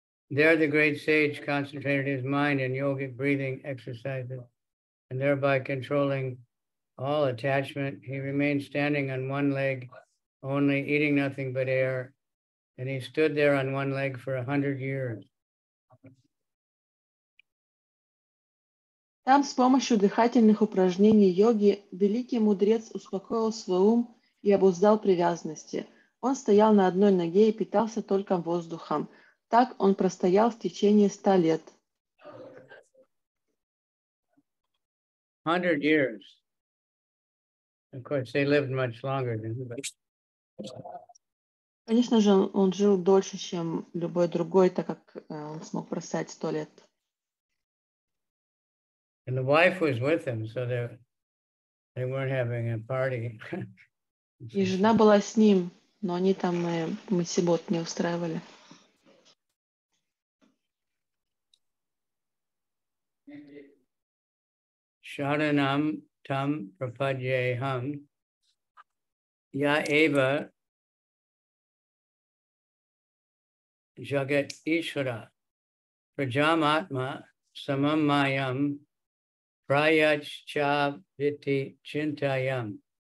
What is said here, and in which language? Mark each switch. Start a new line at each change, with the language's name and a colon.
English: There the great sage concentrated his mind in yogic breathing exercises and thereby controlling all attachment. He remained standing on one leg only, eating nothing but air. And he stood there on one leg for 100 years.
Russian: Там с помощью дыхательных упражнений йоги великий мудрец успокоил свой ум и обуздал привязанности. Он стоял на одной ноге и питался только воздухом. Так он простоял в течение 100 лет.
English: 100 years. Of course, they lived much longer than that.
Russian: Конечно же, он жил дольше, чем любой другой, так как он смог простоять 100 лет.
English: And the wife was with him, so they weren't having a party.
Russian: И жена была с ним, но они там масибот не устраивали.
Sanskrit: Шаранам там прападьяхам я эва Jagat Ishvara Prajam Atma Samam Mayam Prayaj Chav Viti Chintayam.